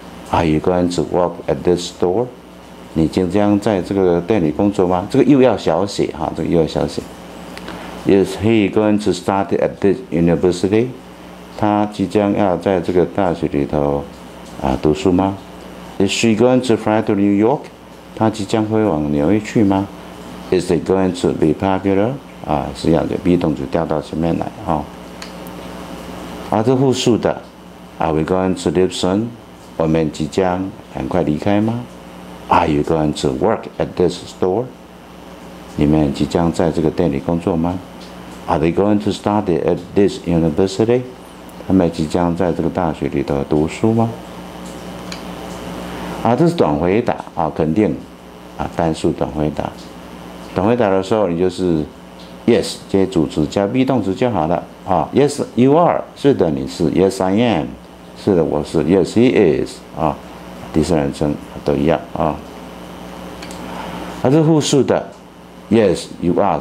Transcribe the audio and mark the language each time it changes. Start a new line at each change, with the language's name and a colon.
English: Are you going to work at this store?
Chinese: 你即将在这个店里工作吗？这个又要小写这个又要小写。
English: Is he going to study at this university?
Chinese: 他即将要在这个大学里头读书吗？
English: Is she going to fly to New York?
Chinese: 他即将会往纽约去吗？
English: Is it going to be popular?
Chinese: 是这样的 be 动词调到前面来这复数的
English: Are we going to leave soon?
Chinese: 我们即将很快离开吗？
English: Are you going to work at this store?
Chinese: 你们即将在这个店里工作吗？
English: Are they going to study at this university?
Chinese: 他们即将在这个大学里头读书吗？这是短回答肯定单数短回答。短回答的时候你就是Yes, 接主词加 be 动词就好了
English: Yes, you are,
Chinese: 是的你是
English: Yes, I am,
Chinese: 是的我是
English: Yes, he is,
Chinese: 第三人称都一样这复数的
English: Yes, you are.